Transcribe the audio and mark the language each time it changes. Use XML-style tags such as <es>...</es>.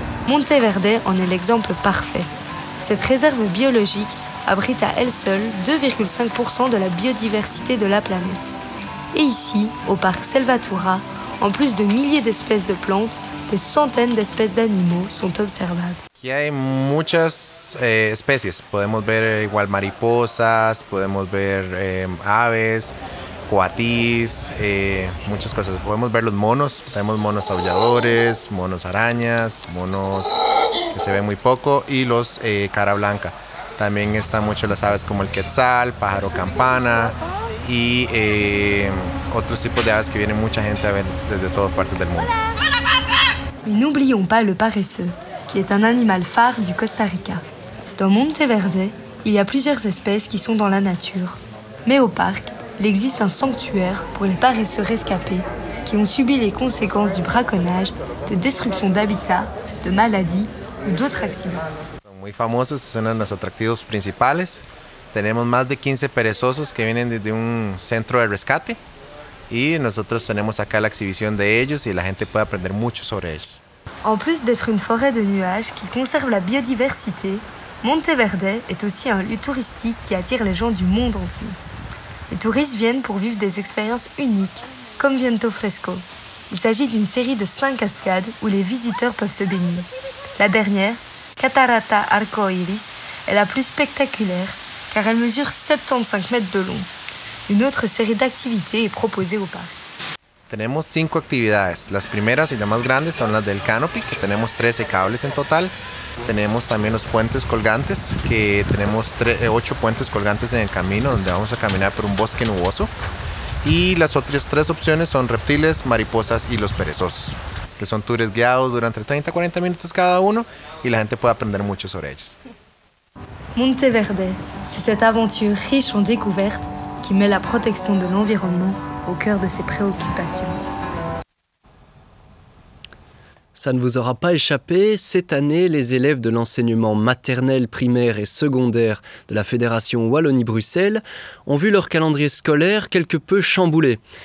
<fr>Monteverde en est l'exemple parfait. Cette réserve biologique abrite à elle seule 2,5% de la biodiversité de la planète. Et ici, au parc Selvatura, en plus de milliers d'espèces de plantes, des centaines d'espèces d'animaux sont observables.</fr> <es>Aquí hay muchas especies. Podemos ver igual mariposas, podemos ver aves, coatís, muchas cosas. Podemos ver los monos. Tenemos monos aulladores, monos arañas, monos que se ven muy poco y los cara blanca. También están mucho las aves como el quetzal, pájaro campana y otros tipos de aves que vienen mucha gente a ver desde todas partes del mundo.</es> <fr>Mais n'oublions pas le paresseux, qui est un animal phare du Costa Rica. Dans Monteverde, il y a plusieurs espèces qui sont dans la nature. Mais au parc, il existe un sanctuaire pour les paresseux rescapés qui ont subi les conséquences du braconnage, de destruction d'habitat, de maladies ou d'autres accidents.</fr> <es>Son muy famosos, es uno de los atractivos principales. Tenemos más de 15 perezosos que vienen desde un centro de rescate y nosotros tenemos acá la exhibición de ellos y la gente puede aprender mucho sobre ellos.</es> <fr>En plus d'être une forêt de nuages qui conserve la biodiversité, Monteverde est aussi un lieu touristique qui attire les gens du monde entier. Les touristes viennent pour vivre des expériences uniques, Conviento Fresco. Il s'agit d'une série de 5 cascades où les visiteurs peuvent se baigner. La dernière, Catarata Arcoiris, est la plus spectaculaire car elle mesure 75 mètres de long. Une autre série d'activités est proposée au parc.</fr> <es>Tenemos 5 actividades. Las primeras y las más grandes son las del canopy, que tenemos 13 cables en total. Tenemos también los puentes colgantes, que tenemos 8 puentes colgantes en el camino donde vamos a caminar por un bosque nuboso. Y las otras 3 opciones son reptiles, mariposas y los perezosos, que son tours guiados durante 30 a 40 minutos cada uno y la gente puede aprender mucho sobre ellos.</es> <fr>Monteverde, c'est cette aventure riche en découvertes qui met la protection de l'environnement au cœur de ses préoccupations. Ça ne vous aura pas échappé, cette année, les élèves de l'enseignement maternel, primaire et secondaire de la Fédération Wallonie-Bruxelles ont vu leur calendrier scolaire quelque peu chamboulé.</fr>